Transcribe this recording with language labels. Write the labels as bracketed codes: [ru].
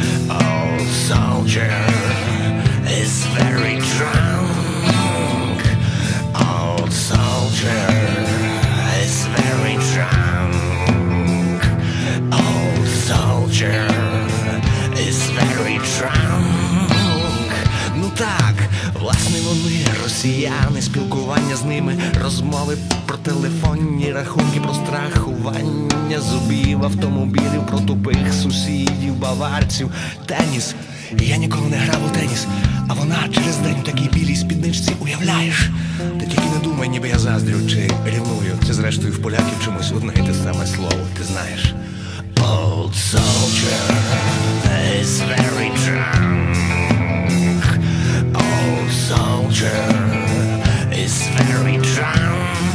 [en] Old soldier is very drunk. Old soldier is very drunk. Old soldier is very drunk. [uk] Ну так, власне вони росіяни, спілкування з ними, розмови про телефонні рахунки, про страхування зубів, автомобілів, про тупих сусідів, баварців. Теніс, я ніколи не грав у теніс, а вона через день у такій білій спідничці, уявляєш? Ти тільки не думай, ніби я заздрю чи рівную, це зрештою в поляків чомусь одне й те саме слово, ти знаєш. [en] Old soldier is very drunk. Old soldier is very drunk.